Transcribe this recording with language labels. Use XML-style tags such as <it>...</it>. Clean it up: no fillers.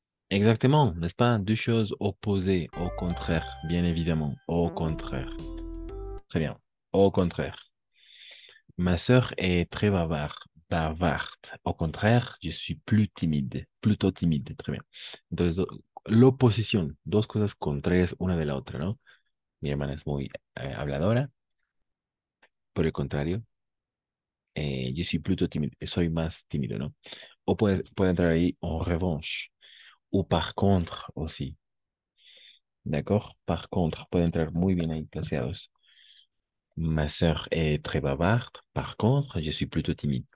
<fr>Exactement, n'est-ce pas? Deux choses opposées, au contraire, bien évidemment, au contraire. Très bien, au contraire. Ma sœur est très bavarde, bavarde. Au contraire, je suis plus timide, plutôt timide. Très bien.</fr> <es>L'opposition, dos cosas contrarias una de la otra, ¿no? Mi hermana es muy habladora. Por el contrario, yo soy</es> <fr>plutôt timide,</fr> <es>soy más tímido, ¿no? O puede entrar ahí en revanche. O</es> <fr>par contre aussi.</fr> <es>D'accord? Par contre, pueden entrar muy bien ahí placeados.</es> <fr>Ma soeur est très bavarde. Par contre, je suis plutôt timide.</fr>